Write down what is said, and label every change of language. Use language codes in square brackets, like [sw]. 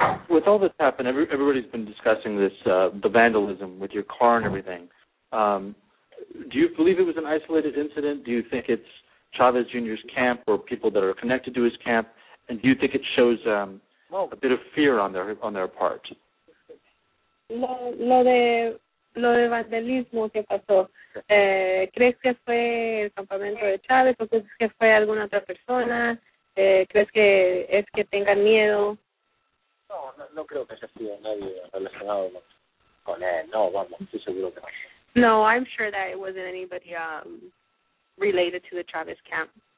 [en] With all this happened, everybody's been discussing this, the vandalism with your car and everything. Do you believe it was an isolated incident? Do you think it's Chavez Jr.'s camp or people that are connected to his camp? And do you think it shows a bit of fear on their part? [es] Lo de lo de vandalismo que pasó, ¿crees que fue el campamento de Chávez o crees que fue alguna otra persona? ¿Crees que es que tengan miedo? No, no creo que haya sido nadie relacionado con él. No, vamos, estoy seguro que no. [en] No, I'm sure that it wasn't anybody related to the Chávez camp.